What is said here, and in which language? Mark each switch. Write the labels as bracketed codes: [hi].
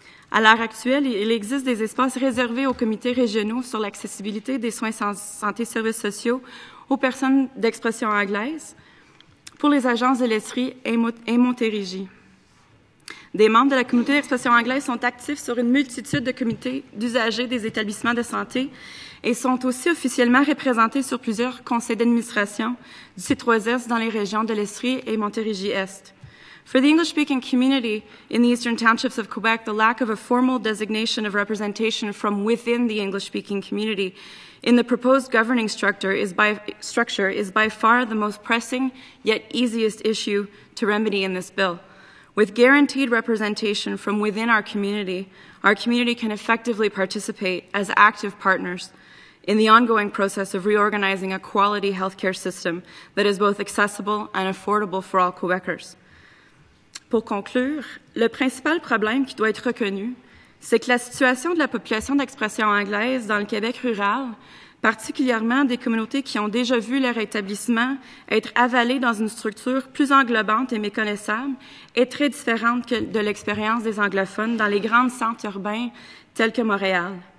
[fr] À l'heure actuelle, il existe des espaces réservés aux comités régionaux sur l'accessibilité des soins santé et services sociaux aux personnes d'expression anglaise pour les agences de l'Estrie et Montérégie. Des membres de la communauté d'expression anglaise sont actifs sur une multitude de comités d'usagers des établissements de santé et sont aussi officiellement représentés sur plusieurs conseils d'administration du C3S dans les régions de l'Estrie et Montérégie-Est. [en] For the English-speaking community in the eastern townships of Quebec, the lack of a formal designation of representation from within the English-speaking community in the proposed governing structure is by far the most pressing yet easiest issue to remedy in this bill. With guaranteed representation from within our community can effectively participate as active partners in the ongoing process of reorganizing a quality healthcare system that is both accessible and affordable for all Quebecers. [fr] Pour conclure, le principal problème qui doit être reconnu, c'est que la situation de la population d'expression anglaise dans le Québec rural, particulièrement des communautés qui ont déjà vu leur établissement être avalé dans une structure plus englobante et méconnaissable, est très différente de l'expérience des anglophones dans les grands centres urbains tels que Montréal.